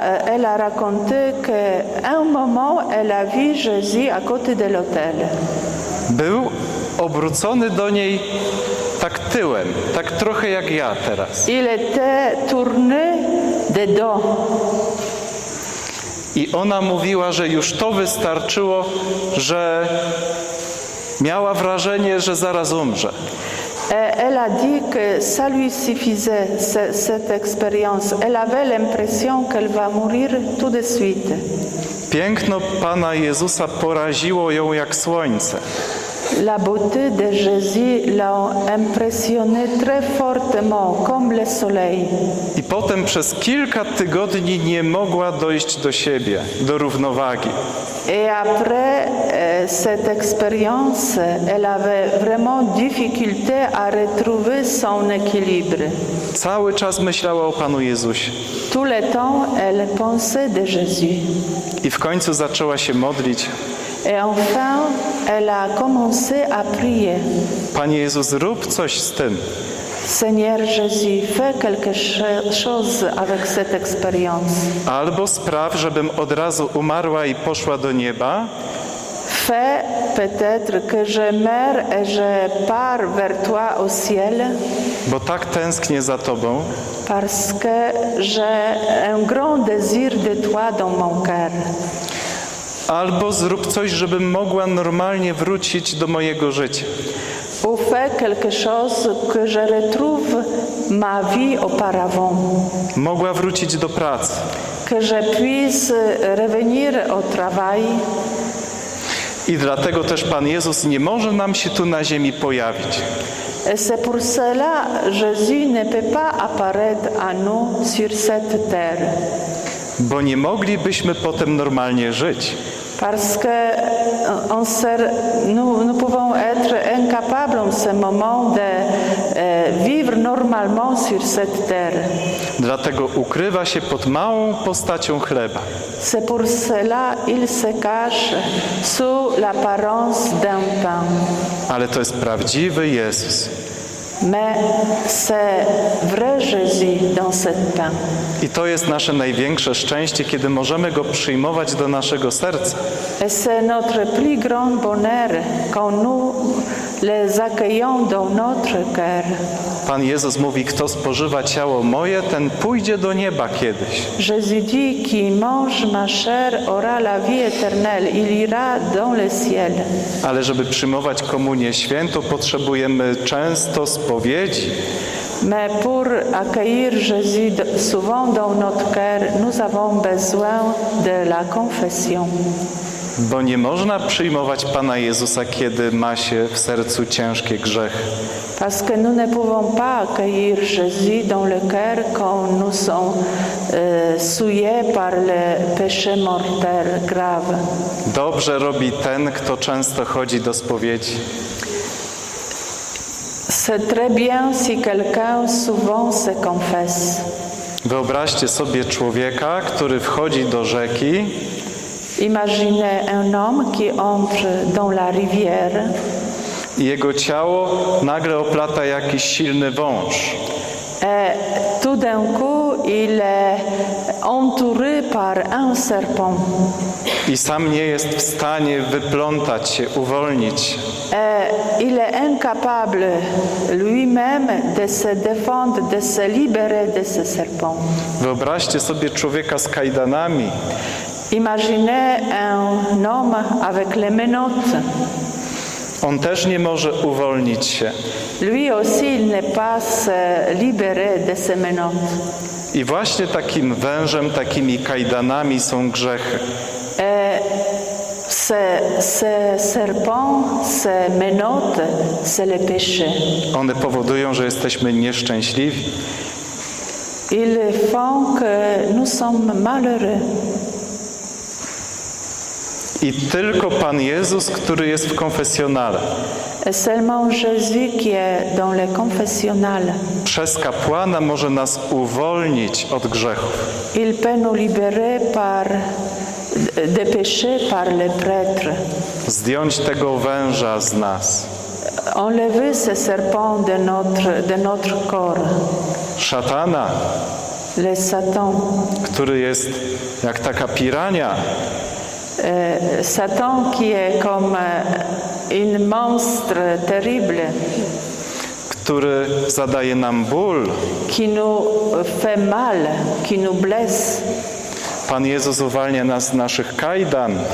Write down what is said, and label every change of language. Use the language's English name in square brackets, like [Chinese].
[French] Elle a raconté que un moment elle a vu Jésus à côté de l'autel. [Polish] Był obrócony do niej tak tyłem, tak trochę jak ja teraz. [French] Il était tourné de dos. [Polish] I ona mówiła, że już to wystarczyło, że miała wrażenie, że zaraz umrze. [French] Elle a dit que ça lui suffisait, cette expérience. Elle avait l'impression qu'elle va mourir tout de suite. [Polish] Piękno Pana Jezusa poraziło ją jak słońce. [French] La beauté de Jésus l'a impressionné très fortement, comme le soleil. [Polish] I potem przez kilka tygodni nie mogła dojść do siebie, do równowagi. [French] Et après cette expérience, elle avait vraiment difficulté à retrouver son équilibre. [Polish] Cały czas myślała o Panu Jezusie. [French] Tout le temps, elle pensait de Jésus. [Polish] I w końcu zaczęła się modlić. [French] Et enfin, elle a commencé à prier. [Polish] Panie Jezu, zrób coś z tym. [French] Seigneur Jésus, fais quelque chose avec cette expérience. [Polish] Albo spraw, żebym od razu umarła i poszła do nieba. [French] Fais peut-être que je meurs et je pars vers toi au ciel. [Polish] Bo tak tęsknię za tobą. [French] Parce que j'ai un grand désir de toi dans mon cœur. [Polish] Albo zrób coś, żebym mogła normalnie wrócić do mojego życia. [French] Fais quelque chose que je retrouve ma vie auparavant. [Polish] Mogła wrócić do pracy. [French] Que je puisse revenir au travail. [Polish] I dlatego też Pan Jezus nie może nam się tu na ziemi pojawić. [French] Et c'est pour cela que Jésus ne peut pas apparaître à nous sur cette terre. [Polish] Bo nie moglibyśmy potem normalnie żyć. [French] Parce que on sera, nous pouvons être incapables en ce moment de vivre normalement sur cette terre. [Polish] Dlatego ukrywa się pod małą postacią chleba. [French] C'est pour cela il se cache sous l'apparence d'un pain. [Polish] Ale to jest prawdziwy Jezus. [French] Mais c'est vrai Jésus dans cette pain. [Polish] I to jest nasze największe szczęście, kiedy możemy go przyjmować do naszego serca. [French] Et c'est notre plus grand bonheur quand nous les accueillons dans notre cœur. [Polish] Pan Jezus mówi, kto spożywa ciało moje, ten pójdzie do nieba kiedyś. [French] Jésus dit, qui mange ma chair aura la vie éternelle, il ira dans le ciel. [Polish] Ale żeby przyjmować komunię świętą, potrzebujemy często spowiedzi. [French] Mais pour accueillir Jésus souvent dans notre cœur, nous avons besoin de la confession. [Polish] Bo nie można przyjmować Pana Jezusa, kiedy ma się w sercu ciężkie grzechy. [French] Parce que nous ne pouvons pas accueillir Jésus dans le cœur quand nous sommes souillés par le péché mortel grave. [Polish] Dobrze robi ten, kto często chodzi do spowiedzi. [French] C'est très bien si quelqu'un souvent se confesse. [Polish] Wyobraźcie sobie człowieka, który wchodzi do rzeki. [French] Imaginez un homme qui entre dans la rivière. [Polish] Jego ciało nagle oplata jakiś silny wąż. [French] Tout d'un coup, il est entouré par un serpent. [Polish] I sam nie jest w stanie wyplątać się, uwolnić. [French] Il est incapable lui-même de se défendre, de se libérer de ce serpent. [Polish] Wyobraźcie sobie człowieka z kajdanami. [French] Imaginez un homme avec les menottes. [Polish] On też nie może uwolnić się. [French] Lui aussi ne pas libéré de ses menottes. [Polish] I właśnie takim wężem, takimi kajdanami są grzechy. [French] Ce serpent, ces menottes, c'est le péché. [Polish] One powodują, że jesteśmy nieszczęśliwi. [French] Ils font que nous sommes malheureux. [Polish] I tylko Pan Jezus, który jest w konfesjonale. [French] Seulement Jésus qui est dans le confessionnal. [Polish] Przez kapłana może nas uwolnić od grzechów. [French] Il peut nous libérer par des péchés par le prêtre. [Polish] Zdjąć tego węża z nas. [French] Enlever ce serpent de notre corps. [Polish] Szatana. [French] Le Satan. [Polish] Który jest jak taka pirania. [French] Satan qui est comme un monstre terrible, [Polish] który zadaje nam ból, [French] qui nous fait mal, qui nous blesse. [Polish] Pan Jezus uwalnia nas z naszych kajdan.